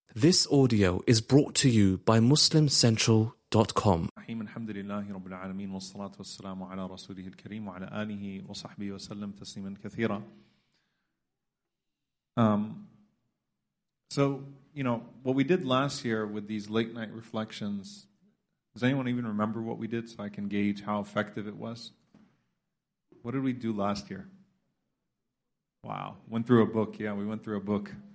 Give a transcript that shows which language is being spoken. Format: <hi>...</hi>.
<en>This audio is brought to you by MuslimCentral.com.</en> <ar>الحمد لله رب العالمين والصلاة والسلام على رسوله الكريم وعلى آله وصحبه وسلم تسليما كثيرا.</ar> <en>So you know what we did last year with these late night reflections. Does anyone even remember what we did so I can gauge how effective it was? What did we do last year? Wow, went through a book. Yeah, we went through a book.</en>